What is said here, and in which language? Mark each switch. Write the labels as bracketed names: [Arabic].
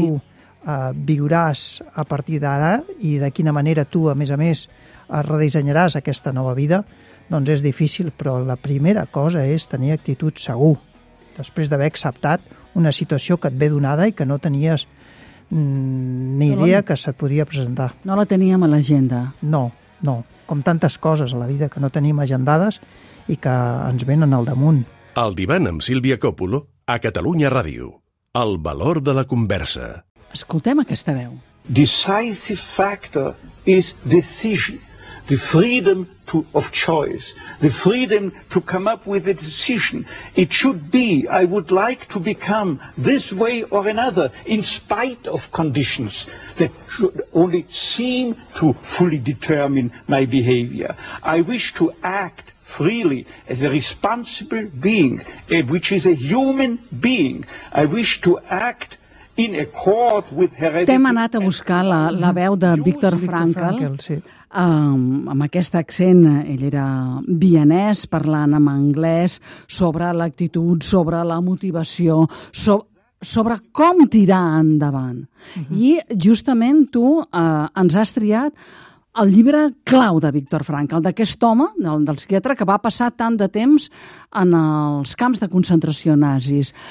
[Catalan] Tu viuràs a partir d'ara i de quina manera tu, a més, redissenyaràs aquesta nova vida, doncs és difícil, però la primera cosa és tenir actitud, segur, després d'haver acceptat una situació que et ve donada i que no tenies ni idea que se't podria presentar. No la teníem a l'agenda. No, com tantes coses a la vida que no tenim agendades i que ens venen al damunt. El divan amb Sílvia Còpolo a Catalunya Ràdio. El valor de la conversa. Escoltem aquesta veu. [English] Decisive factor is decision. The freedom of choice. The freedom to come up with a decision. It should be, I would like to become this way or another, in spite of conditions that should only seem to fully determine my behavior. I wish to act freely as a responsible being, which is a human being. I wish to act in accord with heredity. [Catalan] T'hem anat a buscar la veu de Viktor Frankl. Sí. Amb aquest accent, ell era vienès, parlant en anglès, sobre l'actitud, sobre la motivació, sobre com tirar endavant. Uh-huh. I justament tu ens has triat el llibre clau de Víctor Frankl, d'aquest home, del psiquiatre, que va passar tant de temps en els camps de concentració nazis.